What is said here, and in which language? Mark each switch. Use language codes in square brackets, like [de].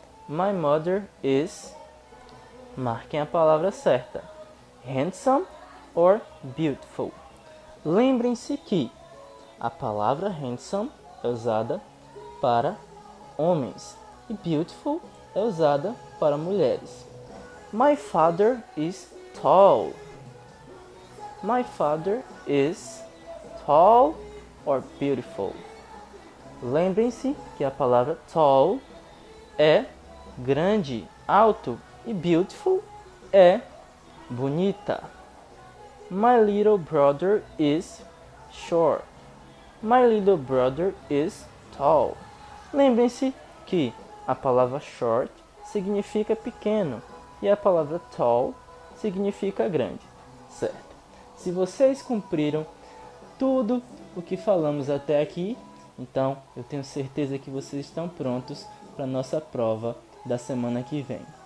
[en] My mother is... [pt] Marquem a palavra certa. [en] Handsome or beautiful. [pt] Lembrem-se que a palavra handsome é usada para homens e beautiful é usada para mulheres. [en] My father is tall. My father is tall or beautiful. [pt] Lembrem-se que a palavra tall é grande, alto e beautiful é bonita. [en] My little brother is short. My little brother is tall. [pt] Lembrem-se que a palavra short significa pequeno e a palavra tall significa grande, certo? Se vocês cumpriram tudo o que falamos até aqui, então eu tenho certeza que vocês estão prontos para a nossa prova da semana que vem.